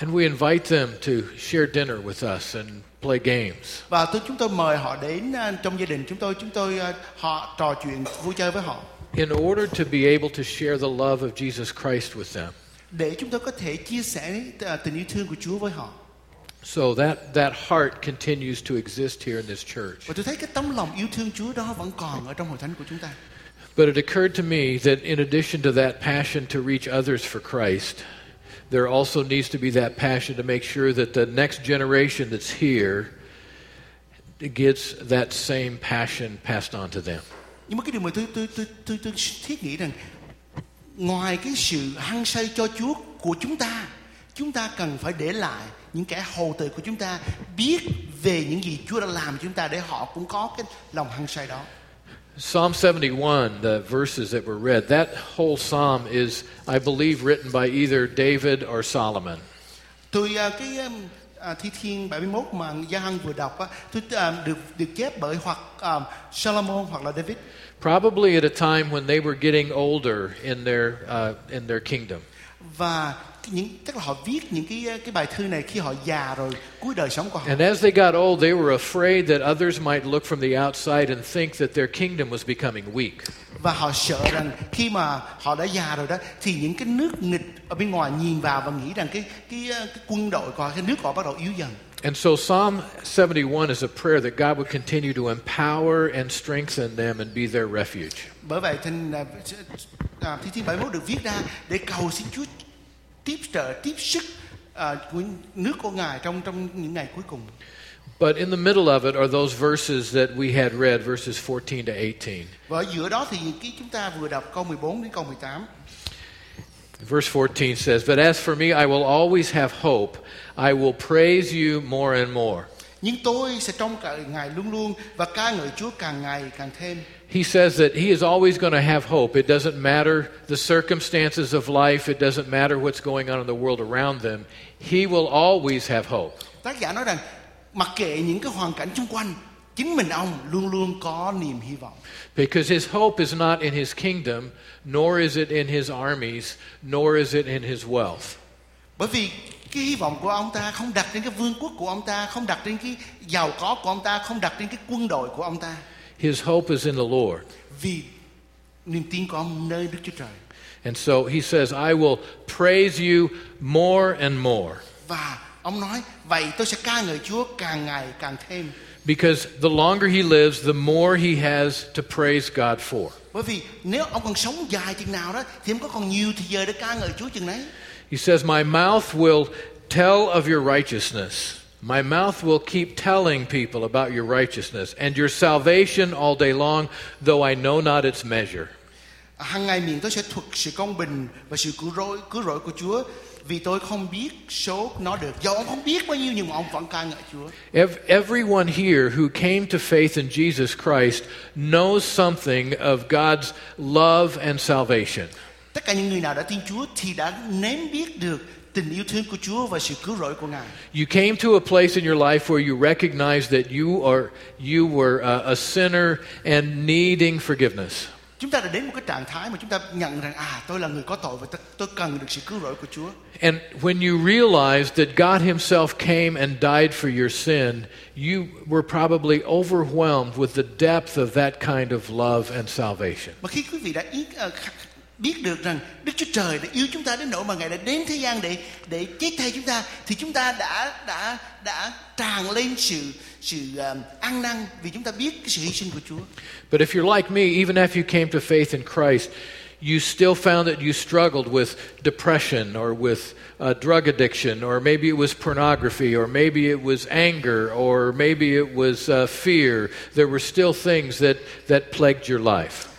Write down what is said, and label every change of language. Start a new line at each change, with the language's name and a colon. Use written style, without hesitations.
English: And we invite them to share dinner with us and play games.
Vietnamese: Và chúng tôi mời họ đến trong gia đình chúng tôi họ trò chuyện vui chơi với họ.
English: In order to be able to share the love of Jesus Christ with them.
Vietnamese: Để chúng tôi có thể chia sẻ tình yêu thương của Chúa với họ.
English: So that heart continues to exist here in this church.
Vietnamese: Và tôi thấy cái tấm lòng yêu thương Chúa đó vẫn còn ở trong hội thánh của chúng ta.
English: But it occurred to me that in addition to that passion to reach others for Christ, there also needs to be that passion to make sure that the next generation that's here gets that same passion passed on to them.
Vietnamese: Nhưng mà cái điều mà tôi thiết nghĩ rằng ngoài cái sự hăng say cho Chúa của chúng ta cần phải để lại những kẻ hầu tử của chúng ta biết về những gì Chúa đã làm cho chúng ta để họ cũng có cái lòng hăng say đó.
English: Psalm 71, the verses that were read, that whole psalm is, I believe, written by either David or Solomon.
Vietnamese: Thi thiên 71 mà Gia Hân vừa đọc á, được chép bởi hoặc Solomon hoặc là David.
English: Probably at a time when they were getting older in their kingdom.
Vietnamese: Và những tức là họ viết những cái bài thư này khi họ già rồi, cuối đời sống của họ.
English: And as they got old, they were afraid that others might look from the outside and think that their kingdom was becoming weak.
Vietnamese: Và họ sợ rằng khi mà họ đã già rồi đó, thì những cái nước nghịch ở bên ngoài nhìn vào và nghĩ rằng cái quân đội của họ, cái nước của họ bắt đầu yếu dần.
English: And so Psalm 71 is a prayer that God would continue to empower and strengthen them and be their refuge.
Vietnamese: Bởi vậy thì Thi Thiên 71 được viết ra để cầu xin Chúa tiếp trợ, tiếp sức của nước của Ngài trong những ngày cuối cùng.
English: But in the middle of it are those verses that we had read, verses 14 to 18.
Vietnamese: Và giữa đó thì cái chúng ta vừa đọc câu 14 đến câu 18.
English: Verse 14 says, "But as for me, I will always have hope. I will praise you more and more."
Vietnamese: Nhưng tôi sẽ trông cậy Ngài luôn luôn và ca ngợi Chúa càng ngày càng thêm.
English: He says that he is always going to have hope. It doesn't matter the circumstances of life. It doesn't matter what's going on in the world around them. He will always have hope.
Vietnamese: Tác giả nói rằng mặc kệ những cái hoàn cảnh xung quanh, chính mình ông luôn luôn có niềm hy vọng.
English: Because his hope is not in his kingdom, nor is it in his armies, nor is it in his wealth.
Vietnamese: Bởi vì cái hy vọng của ông ta không đặt trên cái vương quốc của ông ta, không đặt trên cái giàu có của ông ta, không đặt trên cái quân đội của ông ta.
English: His hope is in the Lord.
Vietnamese: Vì niềm tin của ông nơi Đức Chúa Trời.
English: And so he says, "I will praise you more and more."
Vietnamese: Và ông nói, vậy tôi sẽ ca ngợi Chúa càng ngày càng thêm.
English: Because the longer he lives, the more he has to praise God for.
Vietnamese: Bởi vì nếu ông còn sống dài chừng nào đó, thì ông có còn nhiều thời giờ để ca ngợi Chúa chừng đấy.
English: He says, "My mouth will tell of your righteousness. My mouth will keep telling people about your righteousness and your salvation all day long, though I know not its measure."
Vietnamese: Hằng ngày miệng tôi sẽ thuật sự công bình và sự cứu rỗi của Chúa. Vì tôi không biết số nó được. Dù ông không biết bao nhiêu nhưng mà ông vẫn ca ngợi Chúa.
English: Everyone here who came to faith in Jesus Christ knows something of God's love and salvation.
Vietnamese: Tất cả những người nào đã tin Chúa thì đã nếm biết được tình yêu thương của Chúa và sự cứu rỗi của Ngài.
English: You came to a place in your life where you recognized that you were a sinner and needing forgiveness.
Vietnamese: Chúng ta đã đến một cái trạng thái mà chúng ta nhận rằng tôi là người có tội và tôi cần được sự cứu rỗi của Chúa.
English: And when you realized that God himself came and died for your sin, you were probably overwhelmed with the depth of that kind of love and salvation.
Vietnamese: Mà khi quý vị đã biết được rằng Đức Chúa Trời đã yêu chúng ta đến nỗi mà Ngài đã đến thế gian để chết thay chúng ta, thì chúng ta đã tràn lên sự ăn năn vì chúng ta biết cái sự hy sinh của Chúa.
English: But if you're like me, even after you came to faith in Christ, you still found that you struggled with depression or with drug addiction, or maybe it was pornography, or maybe it was anger, or maybe it was fear. There were still things that plagued your life.